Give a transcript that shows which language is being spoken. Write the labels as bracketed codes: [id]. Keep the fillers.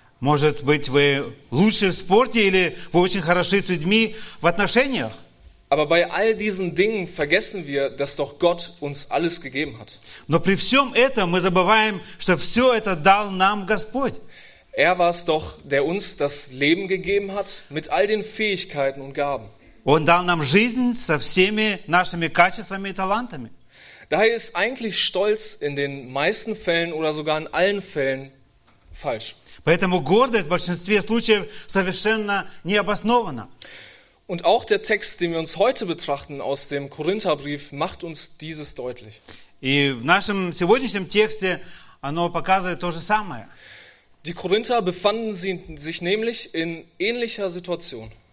[ru] Может быть, вы лучше в спорте или вы очень хороши с людьми в отношениях. [de] Aber bei all diesen Dingen vergessen wir, dass doch Gott uns alles gegeben hat. [ru] Но при всем этом мы забываем, что все это дал нам Господь. [de] Er war es doch, der uns das Leben gegeben hat mit all den Fähigkeiten und Gaben. [ru] Он дал нам жизнь со всеми нашими качествами и талантами. [de] Daher ist eigentlich stolz in den meisten Fällen oder sogar in allen Fällen falsch. [ru] Поэтому гордость в большинстве случаев совершенно необоснована. [de] Und auch der Text, den wir uns heute betrachten aus dem Korintherbrief, macht uns dieses deutlich. [ru] И в нашем сегодняшнем тексте оно показывает то же самое. [de] Die Korinther befanden sich nämlich in ähnlicher Situation.